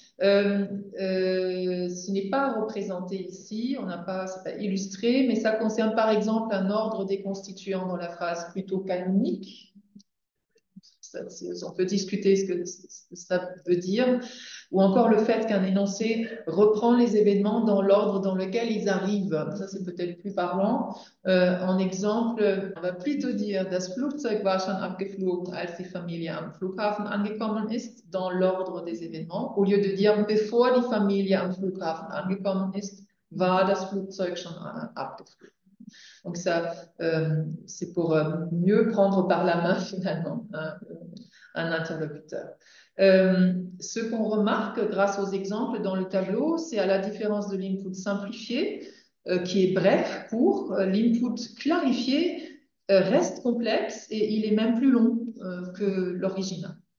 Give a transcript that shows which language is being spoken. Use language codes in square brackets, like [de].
[fr] Ce n'est pas représenté ici, on n'a pas, c'est pas illustré, mais ça concerne par exemple un ordre des constituants dans la phrase plutôt canonique. On peut discuter ce que ça veut dire, ou encore le fait qu'un énoncé reprend les événements dans l'ordre dans lequel ils arrivent. Ça, c'est peut-être plus parlant. En exemple, on va plutôt dire: [de] Das Flugzeug war schon abgeflogen, als die Familie am Flughafen angekommen ist, [fr] dans l'ordre des événements, au lieu de dire: [de] Bevor die Familie am Flughafen angekommen ist, war das Flugzeug schon abgeflogen. [fr] Donc ça, c'est pour mieux prendre par la main finalement un interlocuteur. Ce qu'on remarque grâce aux exemples dans le tableau, c'est à la différence de l'input simplifié, qui est bref, court, l'input clarifié reste complexe et il est même plus long que l'original.